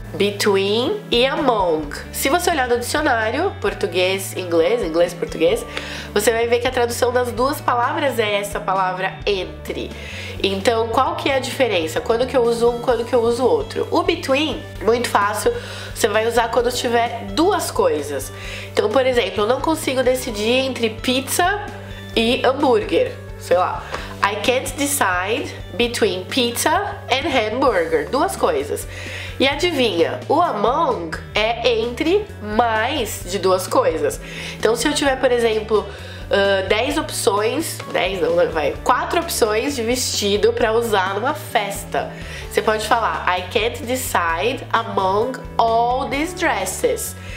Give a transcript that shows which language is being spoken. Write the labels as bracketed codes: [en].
[pt] Between e among. Se você olhar no dicionário português-inglês, inglês-português, você vai ver que a tradução das duas palavras é essa palavra entre. Então, qual que é a diferença? Quando que eu uso um, quando que eu uso outro? O between, muito fácil, você vai usar quando tiver duas coisas. Então, por exemplo, eu não consigo decidir entre pizza e hambúrguer, sei lá. [en] I can't decide between pizza and hamburger. [pt] Duas coisas. E adivinha, o among é entre mais de duas coisas. Então, se eu tiver, por exemplo, 10 opções, 10 não, vai, 4 opções de vestido pra usar numa festa, você pode falar, [en] I can't decide among all these dresses.